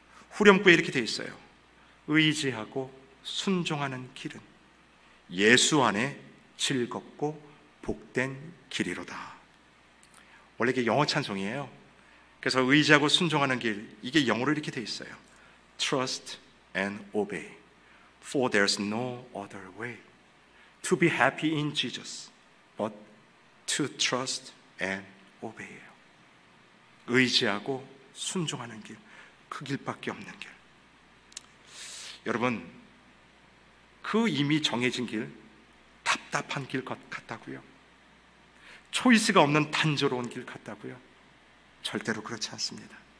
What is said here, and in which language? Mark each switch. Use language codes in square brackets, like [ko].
[ko] 후렴구에 이렇게 되어 있어요. 의지하고 순종하는 길은 예수 안에 즐겁고 복된 길이로다. 원래 이게 영어 찬송이에요. 그래서 의지하고 순종하는 길, 이게 영어로 이렇게 되어 있어요. [en] Trust and obey, for there's no other way to be happy in Jesus but to trust and obey. [ko] 의지하고 순종하는 길, 그 길밖에 없는 길. 여러분, 그 이미 정해진 길, 답답한 길 같다고요? 초이스가 없는 단조로운 길 같다고요? 절대로 그렇지 않습니다.